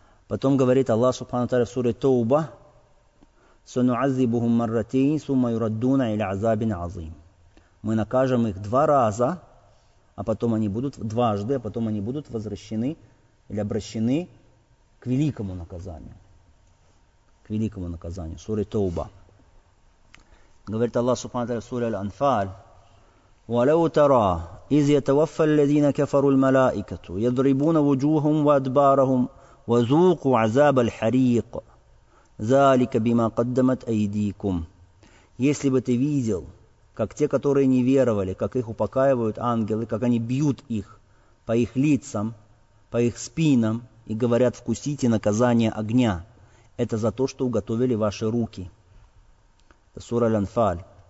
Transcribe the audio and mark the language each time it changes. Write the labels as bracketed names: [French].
[Russian] Потом говорит Аллах Субхану Тааля в суре Тауба, [Arabic] «Сануазибухум марратейн, сумма юраддуна или азабин азим». [Russian] Мы накажем их два раза, а потом они будут дважды, а потом они будут возвращены или обращены к великому наказанию. К великому наказанию. Суре Тауба. Говорит Аллах Субхану Тааля в суре Аль-Анфаль, [Arabic] ولو ترى إذ يتوفى الذين كفروا الملائكة يضربون وجوههم وأدبارهم وذوقوا عذاب الحريق ذلك بما قدمت أيديكم. [Russian] Если бы ты видел, как те, которые не веровали, как их упокаивают ангелы, как они бьют их по их лицам, по их спинам и говорят, вкусите наказание огня. Это за то, что уготовили ваши руки. Сура Аль-Анфаль.